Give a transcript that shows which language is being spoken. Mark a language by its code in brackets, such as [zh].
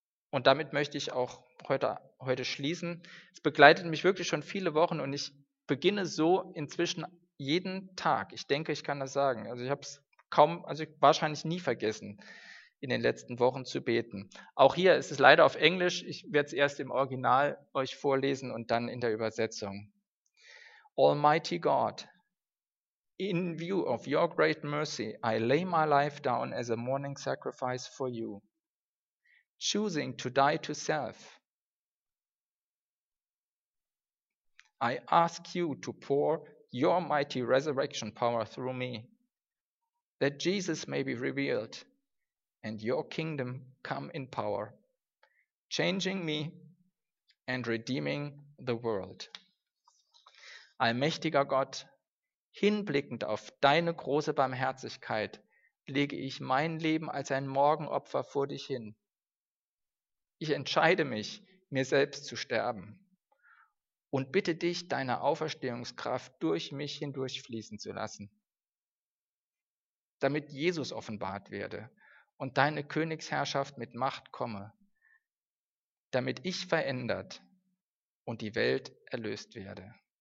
[de] Und damit möchte ich auch heute schließen. Es begleitet mich wirklich schon viele Wochen und ich beginne so inzwischen jeden Tag. Ich denke, ich kann das sagen. Also ich habe es kaum, also wahrscheinlich nie vergessen, in den letzten Wochen zu beten. Auch hier ist es leider auf Englisch. Ich werde es erst im Original euch vorlesen und dann in der Übersetzung. [en] Almighty God, in view of your great mercy, I lay my life down as a morning sacrifice for you. Choosing to die to self, I ask you to pour your mighty resurrection power through me, that Jesus may be revealed and your kingdom come in power, changing me and redeeming the world. [de] Allmächtiger Gott, hinblickend auf deine große Barmherzigkeit, lege ich mein Leben als ein Morgenopfer vor dich hin. Ich entscheide mich, mir selbst zu sterben und bitte dich, deine Auferstehungskraft durch mich hindurch fließen zu lassen, damit Jesus offenbart werde und deine Königsherrschaft mit Macht komme, damit ich verändert und die Welt erlöst werde.